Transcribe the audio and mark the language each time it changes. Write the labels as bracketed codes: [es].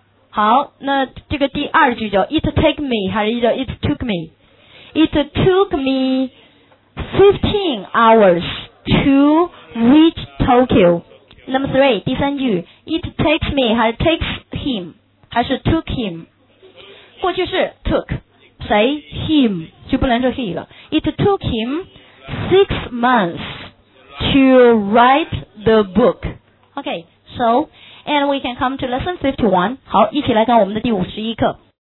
[zh] 好，那这个第二句叫 it take me 还是叫 it took me？ [en] It took me 15 hours to reach Tokyo. Number three, 第三句 it takes me 还是 takes him 还是 took him？ [zh] 过去式 took 谁 him 就不能说 he 了。 [en] It took him 6 months to write the book. Okay, so. And we can come to lesson 51. 好，一起来看我们的第51课。